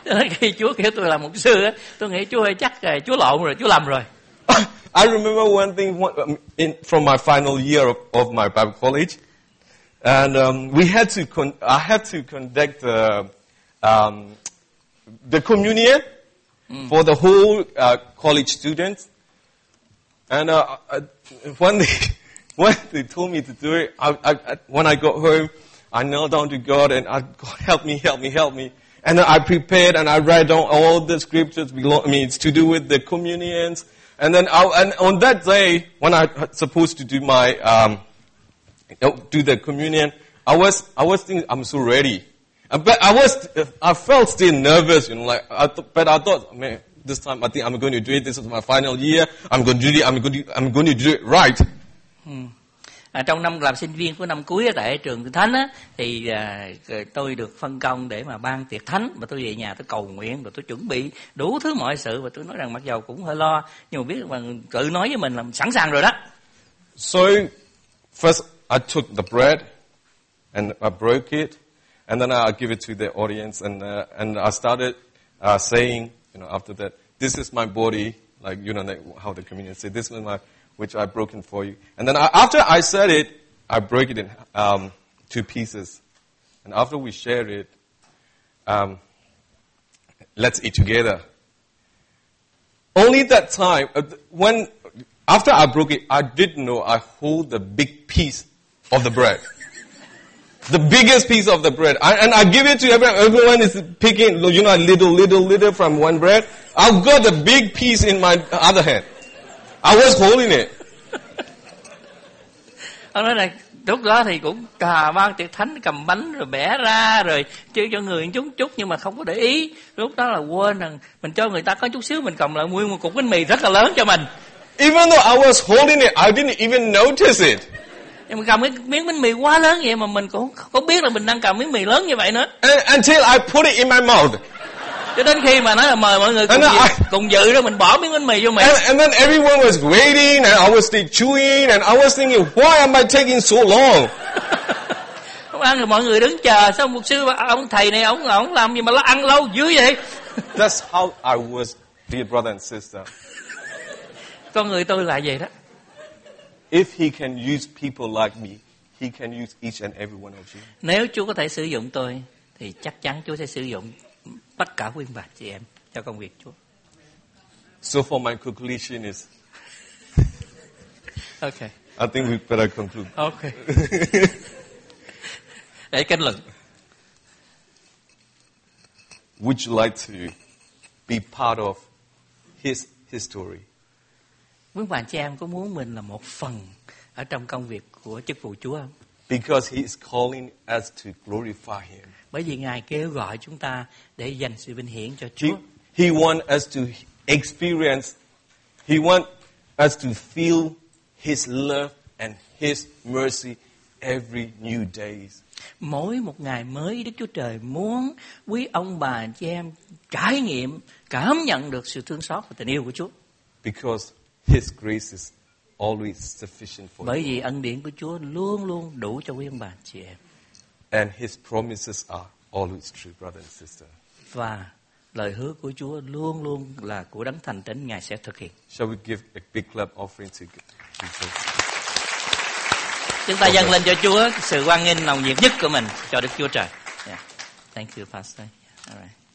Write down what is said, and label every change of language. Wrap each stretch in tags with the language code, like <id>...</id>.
<vi>Khi Chúa kêu tôi làm mục sư, tôi nghĩ Chúa ơi, chắc Chúa lộn rồi, Chúa lầm rồi.</vi> <en>I remember one thing from my final year of my Bible college, and I had to conduct the communion for the whole college students. And when they told me to do it, when I got home, I knelt down to God and I, God, help me, help me, help me. And I prepared and I write down all the scriptures below, I mean, it's to do with the communions. And then on that day, when I was supposed to do my, do the communion, I was thinking, I'm so ready. But I felt still nervous, you know, like, I thought, man, this time I think I'm going to do it. This is my final year. I'm going to do it right.</en> <vi>Trong năm làm sinh viên của năm cuối ở tại trường thánh á, thì tôi được phân công để mà ban tiệc thánh, và tôi về nhà tôi cầu nguyện rồi tôi chuẩn bị đủ thứ mọi sự, và tôi nói rằng mặc dầu cũng hơi lo nhưng mà biết mà tự nói với mình là sẵn sàng rồi đó.</vi> <en>So first I took the bread and I broke it and then I give it to the audience and I started saying, you know, after that, this is my body, like, you know, like how the communion said, this was my, which I broken for you. And then after I said it, I broke it in two pieces. And after we share it, let's eat together. Only that time, when after I broke it, I didn't know I hold the big piece of the bread. The biggest piece of the bread. I give it to everyone is picking, you know, little from one bread. I've got the big piece in my other hand. I was holding it.</en> <vi>Ông nói là lúc đó thì cũng cà mang tiệc thánh, cầm bánh rồi bẻ ra rồi chưa cho người chúng chút, nhưng mà không có để ý. Lúc đó là quên rằng mình cho người ta có chút xíu, mình cầm lại nguyên một cục bánh mì rất là lớn cho mình.</vi> <en>Even though I was holding it, I didn't even notice it.</en> <vi>Nhưng mà cầm cái miếng bánh mì quá lớn vậy mà mình cũng không có biết là mình đang cầm miếng mì lớn như vậy nữa.</vi> <en>Until I put it in my mouth.</en> <vi>Cho đến khi mà nói là mời mọi người cùng dự rồi mình bỏ miếng bánh mì vô miệng.</vi> <en>And then everyone was waiting and I was still chewing and I was thinking, why am I taking so long?</en> <vi>Không ăn rồi mọi người đứng chờ, sao mục sư ông thầy này ông làm gì mà ăn lâu dữ vậy?</vi> <en>That's how I was, dear brother and sister.</en> <vi>Con người tôi là vậy đó.</vi> <en>If he can use people like me, he can use each and every one of you.</en> <vi>Nếu Chúa có thể sử dụng tôi thì chắc chắn Chúa sẽ sử dụng tất cả quý bà chị em cho công việc Chúa.</vi> <en>So for my conclusion is okay. I think we better conclude. Okay.</en> <vi>Để kết luận.</vi> <en>Would you like to be part of his history?</en> <vi>Quý bà chị em có muốn mình là một phần ở trong công việc của chức vụ Chúa không?</vi> <en>Because he is calling us to glorify him.</en> <vi>Bởi vì Ngài kêu gọi chúng ta để dành sự vinh hiển cho Chúa.</vi> <en>He wants us to experience, he wants us to feel his love and his mercy every new days.</en> <vi>Mỗi một ngày mới, Đức Chúa Trời muốn quý ông bà chị em trải nghiệm, cảm nhận được sự thương xót và tình yêu của Chúa.</vi> <en>Because his grace is always sufficient for you.</en> <vi>Bởi vì ân điển của Chúa luôn luôn đủ cho quý ông bà chị em.</vi> <en>And his promises are always true, brother and sister.</en> <vi>Và lời hứa của Chúa luôn luôn là của đấng thành tín, Ngài sẽ thực hiện.</vi> <en>Shall we give a big clap offering to Jesus?</en> <vi>Chúng ta dâng lên cho Chúa sự hoan nghênh nồng nhiệt nhất của mình cho Đức Chúa Trời.</vi> <en>Yeah. Thank you, Pastor. All right.</en>